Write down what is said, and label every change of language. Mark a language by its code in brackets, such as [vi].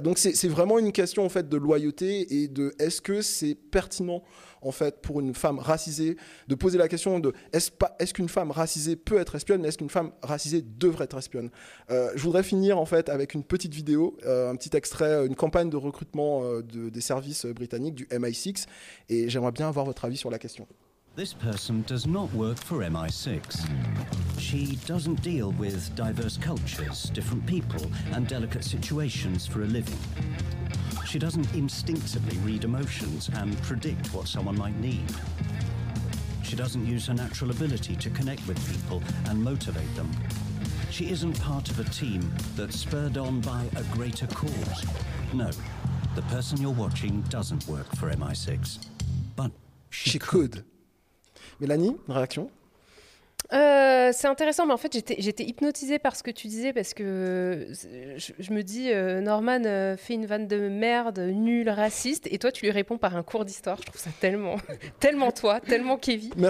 [fr] Donc c'est vraiment une question, en fait, de loyauté et de est-ce que c'est pertinent, en fait, pour une femme racisée, de poser la question de est-ce qu'une femme racisée peut être espionne, mais est-ce qu'une femme racisée devrait être espionne ? Je voudrais finir, en fait, avec une petite vidéo, un petit extrait, une campagne de recrutement des services britanniques, du MI6, et j'aimerais bien avoir votre avis sur la question. [en] This person does not work for MI6. She doesn't deal with diverse cultures, different people, and delicate situations for a living. She doesn't instinctively read emotions and predict what someone might need. She doesn't use her natural ability to connect with people and motivate them. She isn't part of a team that's spurred on by a greater cause. No, the person you're watching doesn't work for MI6. But she could. [fr] Mélanie, une réaction? C'est intéressant, mais en fait, j'étais hypnotisée par ce que tu disais, parce que je me dis, Norman fait une vanne de merde, nul, raciste, et toi, tu lui réponds par un cours d'histoire. Je trouve ça tellement, tellement toi, tellement Kevin.